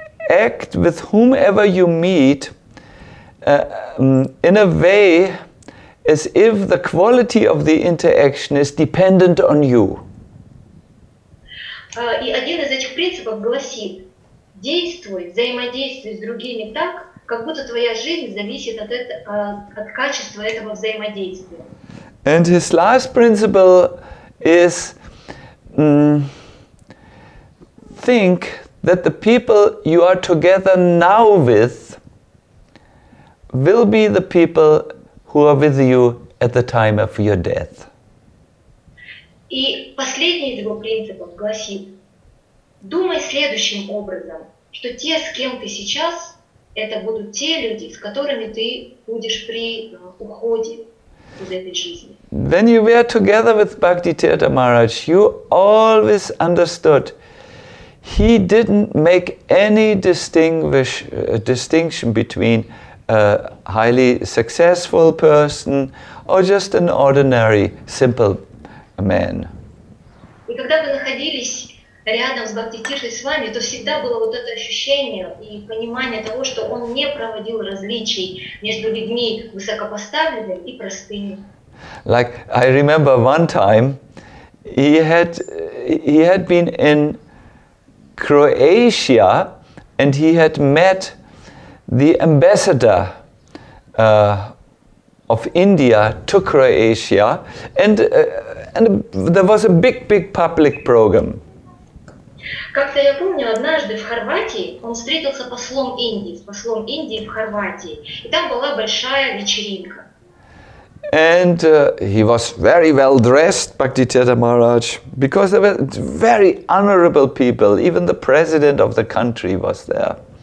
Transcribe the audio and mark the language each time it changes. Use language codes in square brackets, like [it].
[en] act with whomever you meet in a way as if the quality of the interaction is dependent on you. [ru] И один из этих принципов гласит: действуй, взаимодействуй с другими так, как будто твоя жизнь зависит от, от качества этого взаимодействия. [en] And his last principle is think that the people you are together now with will be the people who are with you at the time of your death. [ru] И последний из его принципов гласит: думай следующим образом, что те, с кем ты сейчас, это будут те люди, с которыми ты будешь при уходе из этой жизни. [en] When you were together with Bhakti Tirtha Maharaj, you always understood he didn't make any distinction between a highly successful person or just an ordinary, simple man. [ru] И когда вы находились рядом с Бхакти Тиршей с вами, то всегда было вот это ощущение и понимание того, что он не проводил различий между людьми высокопоставленными и простыми. [en] Like, I remember one time, he had been in Croatia and he had met the ambassador of India to Croatia and there was a big, big public program. [ru] Как-то я помню, однажды в Хорватии он встретился послом Индии в Хорватии, и там была большая вечеринка. [en] And he was very well dressed, Bhakti Tirtha Maharaj, because there were very honorable people, even the president of the country was there.